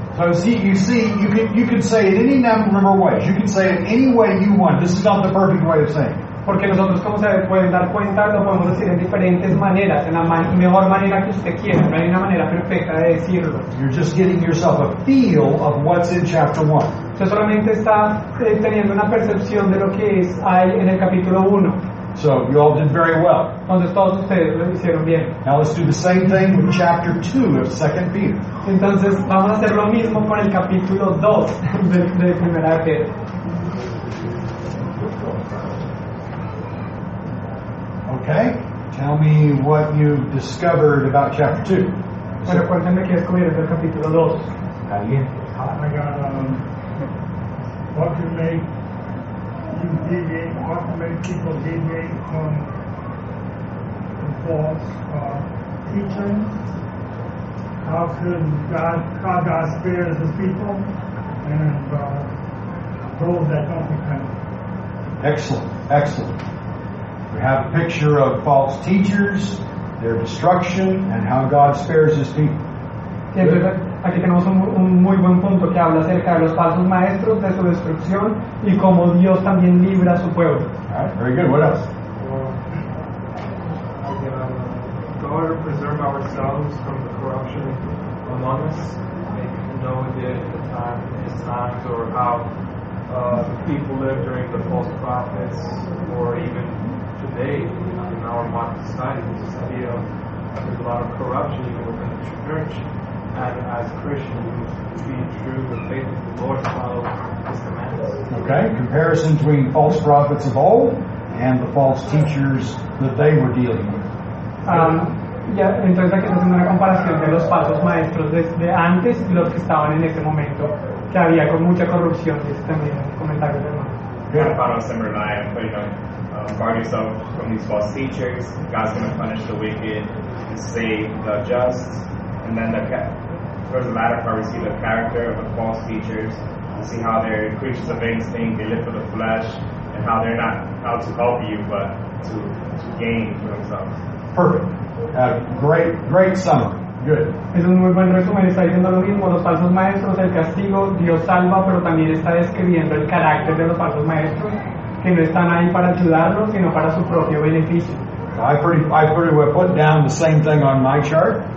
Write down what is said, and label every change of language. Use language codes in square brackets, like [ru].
[en] So you see, you can say it any number of ways. You can say it any way you want. This is not the perfect way of saying it. [es] Porque nosotros, como se pueden dar cuenta, lo podemos decir en diferentes maneras, en la mejor manera que usted quiera. No hay una manera perfecta de decirlo. [en] You're just getting yourself a feel of what's in chapter 1. [es] Usted solamente está teniendo una percepción de lo que es ahí en el capítulo 1. [en] So you all did very well. [es] Entonces todos ustedes lo hicieron bien. [en] Now let's do the same thing with chapter 2 of 2 Peter. [es] Entonces vamos a hacer lo mismo con el capítulo 2 de Primera de Pedro. [en] Okay, tell me what you've discovered about chapter 2. [es] Bueno, cuéntame qué has descubierto del capítulo 2. Alguien. [en] I got what you made. You deviate, what made people deviate from the false teaching? How could God spare the people and those that don't repent? Excellent. We have a picture of false teachers, their destruction, and how God spares his people. Good. [es] Aquí tenemos un muy buen punto que habla acerca de los falsos maestros, de su destrucción y cómo Dios también libra a su pueblo. [en] Right, very good. What else? God preserve ourselves from the corruption among us. Make known the time, his times, or how people live during the false prophets, or even today in our modern society. This idea of there's a lot of corruption even within the church. Okay, comparison between false prophets of old and the false teachers that they were dealing with. [es] Entonces aquí hacemos una comparación de los falsos maestros de antes y los que estaban en ese momento, que había con mucha corrupción. Eso también es un comentario de hermano. [en] Good. Part of similar line, but guard yourself from these false teachers. God's going to punish the wicked and save the just, and then the towards the latter part, we see the character of the false teachers. We see how they're creatures of instinct, they live for the flesh, and how they're not out to help you, but to gain for themselves. Perfect. Great summary. Good. [es] Es un muy buen resumen, está diciendo lo mismo, los falsos maestros, el castigo, Dios salva, pero también está describiendo el carácter de los falsos maestros, que no están ahí para ayudarlos, sino para su propio beneficio. [en] I pretty well put down the same thing on my chart.